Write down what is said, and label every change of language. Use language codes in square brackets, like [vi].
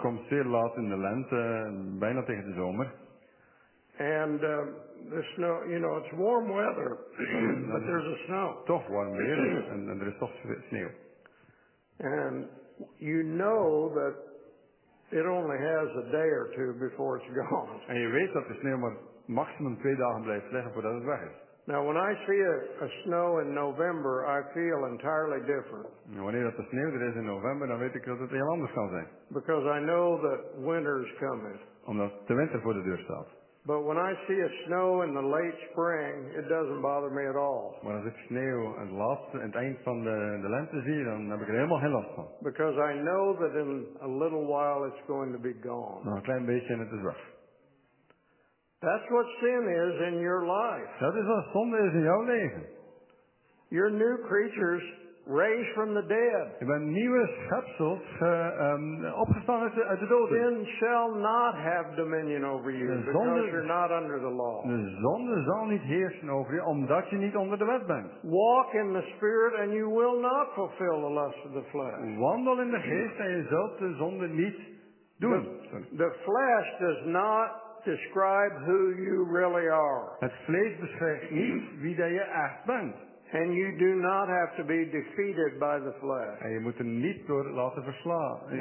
[nl] komt zeer laat in de lente, bijna tegen de zomer. [en] And the snow, you know, it's warm weather, but there's a snow. [nl] Toch warm weer en er is toch sneeuw. [en] And you know that it only has a day or two before it's gone. [nl] En je weet dat de sneeuw maar maximum 2 dagen blijft liggen voordat het weg is. [en] Now when I see a snow in November, I feel entirely different. [nl] Wanneer dat de sneeuw er is in november, dan weet ik dat het heel anders kan zijn. [en] Because I know that winter is coming. [nl] Omdat de winter voor de deur staat. [en] But when I see a snow in the late spring, it doesn't bother me at all. [nl] Maar als ik sneeuw aan het eind van de lente zie, dan heb ik er helemaal geen last van. [en] Because I know that in a little while it's going to be gone. [nl] Nog een klein beetje en het is weg. [en] That's what sin is in your life. [nl] Dat is wat zonde is in jouw leven. [en] You're new creatures raised from the dead. [nl] Je bent nieuwe schepsels opgestaan uit de doden. [en] Sin shall not have dominion over you because you're not under the law. [nl] De zonde zal niet heersen over je omdat je niet onder de wet bent. [en] Walk in the Spirit and you will not fulfill the lust of the flesh. [nl] Wandel in de geest en je zult de zonde niet doen. [en] The flesh does not describe who you really are. [nl] Het vlees beschrijft niet wie dat je echt bent. [en] And you do not have to be defeated by the flesh. [nl] En je moet er niet door laten verslaan.